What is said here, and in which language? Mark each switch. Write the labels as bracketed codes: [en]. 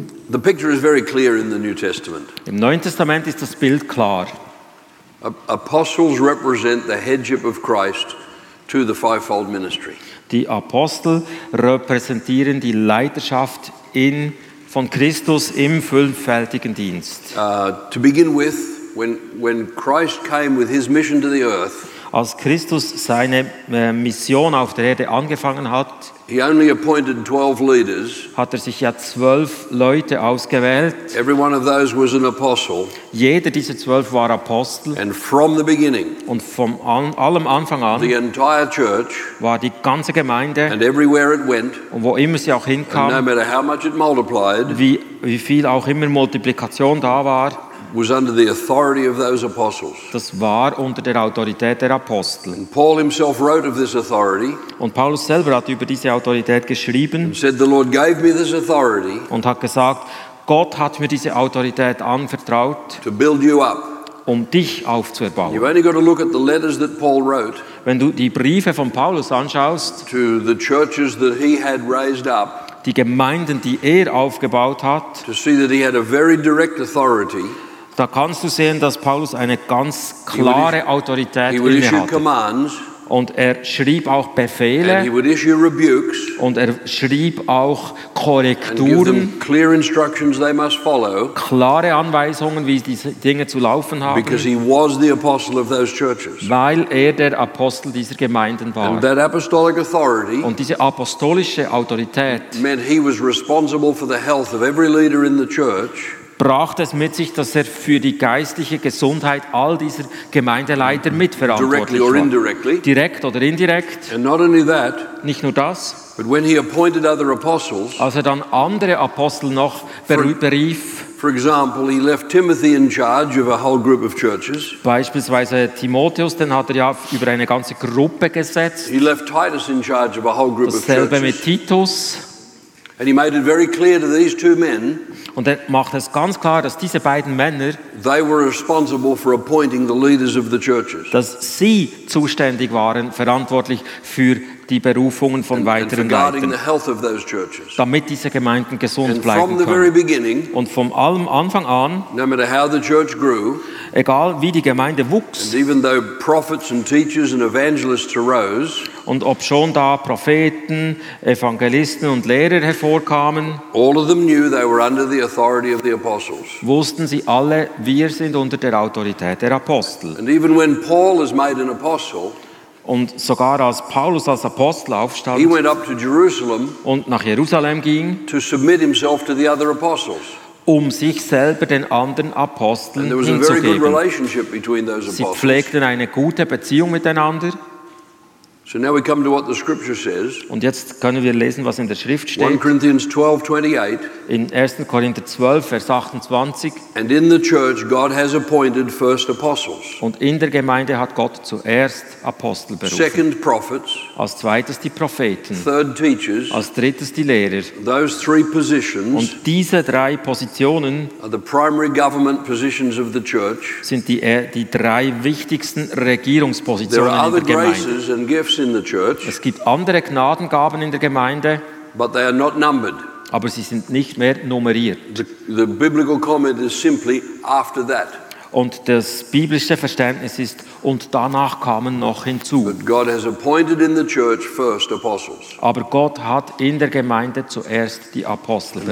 [en] The picture is very clear in the New Testament. [de] Im Neuen Testament ist das Bild klar. [en] Apostles represent the headship of Christ to the fivefold ministry. [de] Die Apostel repräsentieren die Leiterschaft von Christus im fünffältigen Dienst. [en] To begin with, when Christ came with his mission to the earth, [de] als Christus seine Mission auf der Erde angefangen hat, [en] he only appointed 12 leaders. [de] Hat sich ja 12 Leute ausgewählt. [en] Every one of those was an apostle. [de] Jeder dieser 12 war Apostel. [en] And from the beginning, [de] und vom allem Anfang an, [en] the entire church, [de] war die ganze Gemeinde, [en] and everywhere it went, [de] und wo immer sie auch hinkam, [en] no matter how much it multiplied, [de] wie viel auch immer Multiplikation da war, [en] was under the authority of those apostles. [de] Das war unter der Autorität der Apostel. [en] And Paul himself wrote of this authority. [de] Und Paulus selber hat über diese Autorität geschrieben. [en] And said the Lord gave me this authority. [de] Und hat gesagt, Gott hat mir diese Autorität anvertraut. [en] To build you up. [de] Um dich aufzubauen. [en] You've only got to look at the letters that Paul wrote. [de] Wenn du die Briefe von Paulus anschaust. [en] To the churches that he had raised up. [de] Die Gemeinden, die er aufgebaut hat. [en] To see that he had a very direct authority. [de] Da kannst du sehen, dass Paulus eine ganz klare Autorität innehatte. Und er schrieb auch Befehle. [en] And he would issue rebukes. [de] Und er schrieb auch Korrekturen. [en] And give them clear instructions they must follow. [de] Klare Anweisungen, wie diese Dinge zu laufen haben. [en] Because he was the apostle of those churches. [de] Weil er der Apostel dieser Gemeinden war. [en] And that apostolic authority. [de] Und diese apostolische Autorität. [en] Meant he was responsible for the health of every leader in the church. [de] Brachte es mit sich, dass er für die geistliche Gesundheit all dieser Gemeindeleiter mitverantwortlich war. Direkt oder indirekt. [en] And not only that, [de] nicht nur das, [en] but when he appointed other apostles, [de] als er dann andere Apostel noch berief, [en] for example, he left Timothy in charge of a whole group of churches. [de] Beispielsweise Timotheus, den hat er ja über eine ganze Gruppe gesetzt. [en] He left Titus in charge of a whole group of churches. [de] Dasselbe mit Titus. [en] And he made it very clear to these two men. [de] Und er macht es ganz klar, dass diese beiden Männer, [en] they were responsible for appointing the leaders of the churches. [de] Dass sie zuständig waren, verantwortlich für die Berufungen von weiteren Leitern, damit diese Gemeinden gesund bleiben können. [en] From the very beginning, [de] und vom allem Anfang an, [en] no matter how the church grew, [de] egal wie die Gemeinde wuchs, [en] and even though prophets and teachers and evangelists arose, [de] und ob schon da Propheten, Evangelisten und Lehrer hervorkamen, [en] all of them knew they were under the authority of the apostles. [de] Wussten sie alle, wir sind unter der Autorität der Apostel. [en] And even when Paul is made an apostle, [de] und sogar als Paulus als Apostel aufstand, [en] he went up to Jerusalem, [de] und nach Jerusalem ging, [en] to submit himself to the other apostles, [de] um sich selber den anderen Aposteln hinzugeben. Sie pflegten eine gute Beziehung miteinander. [en] So now we come to what the scripture says. [de] Und jetzt können wir lesen, was in der Schrift steht. [en] 1 Corinthians 12:28. [de] In 1. Korinther 12, Vers 28. [en] And in the church God has appointed first apostles. [de] Und in der Gemeinde hat Gott zuerst Apostel berufen. [en] Second prophets. [de] Als zweites die Propheten. [en] Third teachers. [de] Als drittes die Lehrer. [en] Those three positions. [de] Und diese drei Positionen [en] are the primary government positions of the church. [de] Sind die drei wichtigsten Regierungspositionen in der Gemeinde. [en] There are other graces and gifts. [de] Es gibt andere Gnadengaben in der Gemeinde, [en] but they are not numbered. [de] Aber sie sind nicht mehr nummeriert. [en] The biblical comment is simply after that. [de] Und das biblische Verständnis ist, und danach kamen noch hinzu. [en] But God has appointed in the church first apostles. [de] Aber Gott hat in der Gemeinde zuerst die Apostel berufen.